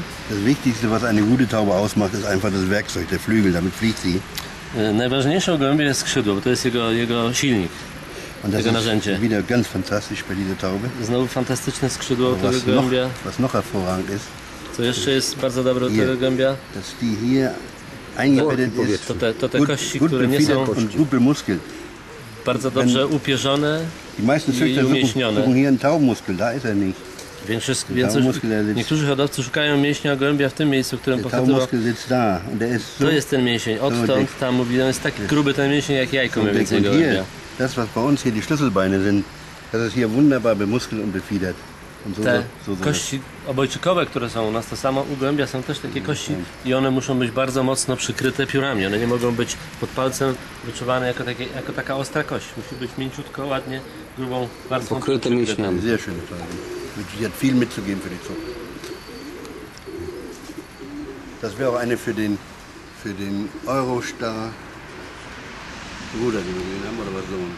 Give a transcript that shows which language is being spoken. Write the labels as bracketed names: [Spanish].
[German] Das Wichtigste, was eine gute Taube ausmacht, ist einfach das Werkzeug, der Flügel, damit fliegt sie. [Polish] Najważniejsze u gołębia jest skrzydło, bo to jest jego silnik, [German] und das [Polish] jego narzędzie. [German] Ist wieder ganz fantastisch bei dieser Taube. [Polish] Znowu fantastyczne skrzydło tego gołębia. [German] Was noch hervorragend ist, [Polish] co jeszcze jest bardzo dobre tego gołębia, [German] dass die hier eingebettet ist. [Polish] To te kości, które nie są... [German] Und gute Muskel. [Polish] Bardzo dobrze upierzone i umięśnione. Niektórzy hodowcy szukają mięśnia gołębia w tym miejscu, w którym pochodziło. To jest ten mięsień, odtąd tam mówi, on jest taki gruby ten mięsień jak jajko mniej więcej gołębia. [German] Das was bei uns hier die Schlüsselbeine sind, das ist hier wunderbar bemuskelt und befiedert. [Polish] Te kości obojczykowe, które są u nas, to samo u gołębia, są też takie kości i one muszą być bardzo mocno przykryte piórami. One nie mogą być pod palcem wyczuwane jako, takie, jako taka ostra kość. Musi być mięciutko, ładnie, grubą, bardzo pokryte mięśniami. [German] Sehr schön, würde hier viel mitzugeben für die Zucht. Das wäre auch eine für den Eurostar Bruder, den wir haben, oder was so.